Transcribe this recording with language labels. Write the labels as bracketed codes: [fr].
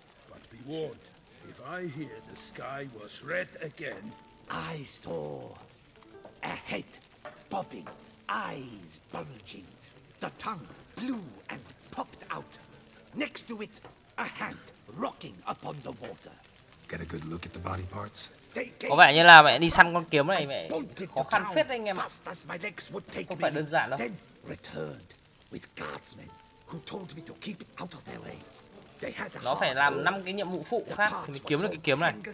[en] But be warned, if I hear the sky was red again... I saw a head bobbing, eyes bulging, the tongue blew and popped out. Next to it, a hand rocking upon the water. Get a good look at the body parts? [vi] Có vẻ như là mẹ đi săn con kiếm này mẹ khó khăn phết anh em ạ. Không phải đơn giản đâu. [en] Then returned with guardsmen who told me to keep out of their way. They had [vi] nó phải làm 5 cái nhiệm vụ phụ khác thì mới kiếm được cái kiếm này.